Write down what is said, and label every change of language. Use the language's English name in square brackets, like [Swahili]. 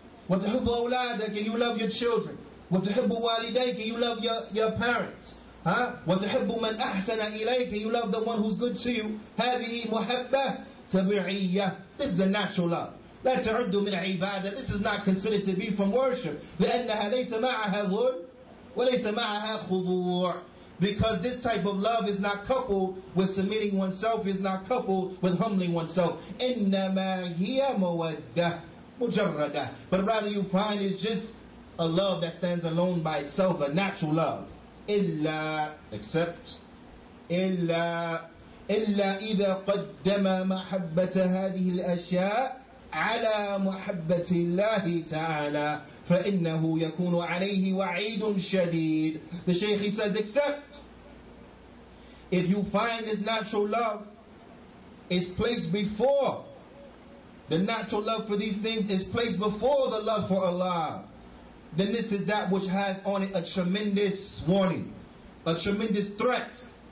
[Arabic] وَتُحِبُّ أَوْلَادَكَ. You love your children. وَتُحِبُّ وَالِدَيْكَ. [English] You love your parents. وَتُحِبُّ مَنْ أَحْسَنَ إِلَيْكَ. You love the one who's good to you. هَذِهِ مُحَبَّةٌ تَبِعِيَّةٌ. This is the natural love. [Arabic] لا تعد من عبادة. [English] This is not considered to be from worship. [Arabic] لأنها ليس معها ذل وليس معها خضوع. [English] Because this type of love is not coupled with submitting oneself, is not coupled with humbling oneself. [Arabic] إنما هي مودة مجردة. [English] But rather you find it's just a love that stands alone by itself, a natural love. [Arabic] إلا except إلا إذا قدم محبة هذه الأشياء على محبة الله تعالى فإنه يكون عليه وعيد شديد. [English] The Shaykh, he says, except if you find this natural love is placed before, the natural love for these things is placed before the love for Allah, then this is that which has on it a tremendous warning, a tremendous threat.